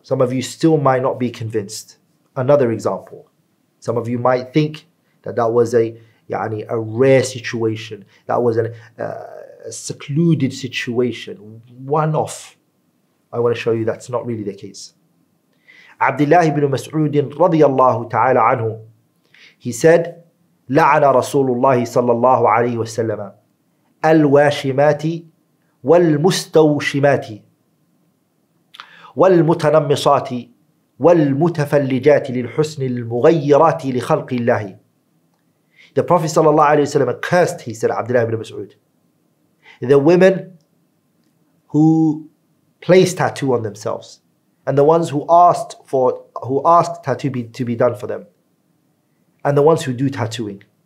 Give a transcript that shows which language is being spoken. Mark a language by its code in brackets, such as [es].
[en] Some of you still might not be convinced. Another example. Some of you might think that that was a rare situation. That was a secluded situation. One off. I want to show you that's not really the case. Abdullah ibn Mas'ud radiyallahu ta'ala anhu, he said, [ar] لَعَنَ رَسُولُ اللَّهِ صَلَّى اللَّهُ عَلَيْهِ وَسَلَّمَ الْوَاشِمَاتِ وَالْمُسْتَوْشِمَاتِ وَالْمُتَنَمِّصَاتِ وَالْمُتَفَلِّجَاتِ لِلْحُسْنِ الْمُغَيِّرَاتِ لِخَلْقِ اللَّهِ. [en] The Prophet [ar] صلى الله عليه وسلم [en] cursed, he said, Abdullah ibn Mas'ud, the women who placed tattoo on themselves and the ones who asked tattoo to be done for them, and the ones who do tattooing.